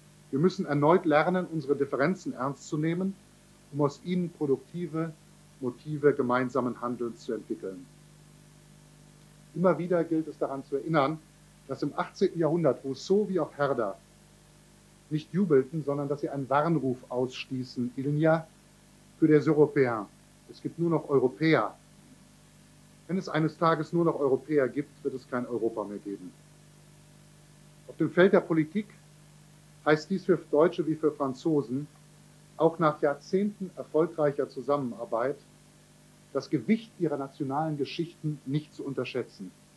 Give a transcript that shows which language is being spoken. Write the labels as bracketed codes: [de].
[de] Wir müssen erneut lernen, unsere Differenzen ernst zu nehmen, um aus ihnen produktive Motive gemeinsamen Handelns zu entwickeln. Immer wieder gilt es daran zu erinnern, dass im 18. Jahrhundert Rousseau wie auch Herder nicht jubelten, sondern dass sie einen Warnruf ausstießen. [fr] Il n'y a que des Européens. [de] Es gibt nur noch Europäer. Wenn es eines Tages nur noch Europäer gibt, wird es kein Europa mehr geben. Auf dem Feld der Politik heißt dies für Deutsche wie für Franzosen, auch nach Jahrzehnten erfolgreicher Zusammenarbeit, das Gewicht ihrer nationalen Geschichten nicht zu unterschätzen.